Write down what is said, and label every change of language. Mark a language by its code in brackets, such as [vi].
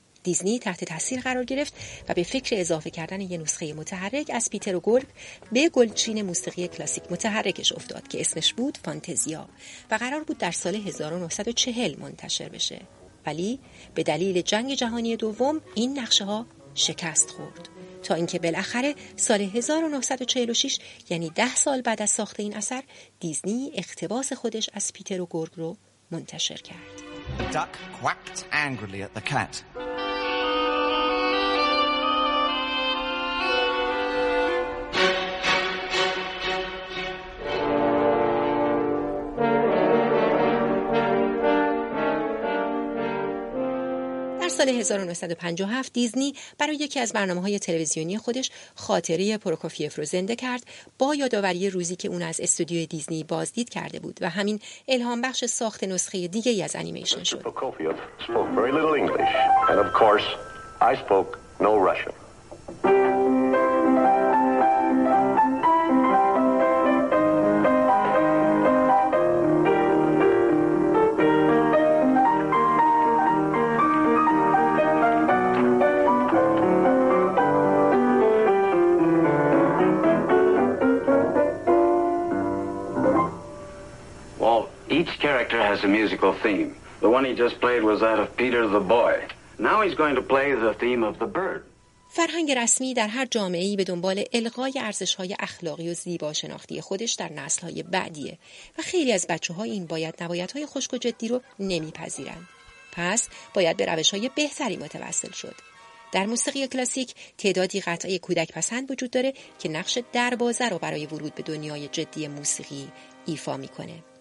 [fa] دیزنی تحت تاثیر قرار گرفت و به فکر اضافه کردن یه نسخه متحرک از پیتر و گورگ به گلچین موسیقی کلاسیک متحرکش افتاد که اسمش بود فانتزیا و قرار بود در سال 1940 منتشر بشه، ولی به دلیل جنگ جهانی دوم این نقشه‌ها شکست خورد، تا اینکه بالاخره سال 1946، یعنی 10 سال بعد از ساخت این اثر، دیزنی اقتباس خودش از پیتر و گورگ رو منتشر کرد. [en] The duck quacked angrily at the cat. [fa] سال 1957 دیزنی برای یکی از برنامه‌های تلویزیونی خودش خاطره پروکوفیف رو زنده کرد با یادآوری روزی که اون از استودیو دیزنی بازدید کرده بود و همین الهام بخش ساخت نسخه دیگه ای از انیمیشن شد. [en] Prokofiev spoke very little English and of course I spoke no Russian. Each character has a musical theme. The one he just played was that of Peter the boy. Now he's going to play the theme of the bird. [fa] فرهنگ رسمی در هر جامعه‌ای به دنبال القای ارزش‌های اخلاقی و زیباشناختی خودش در نسل‌های بعدیه و خیلی از بچه‌ها این باید نبایدهای خشک و جدی رو نمی‌پذیرن. پس باید به روش‌های بهتری متوسل شد. در موسیقی کلاسیک تعدادی قطعه کودک پسند وجود داره که نقش دروازه رو برای ورود به دنیای جدی موسیقی ایفا می‌کنه.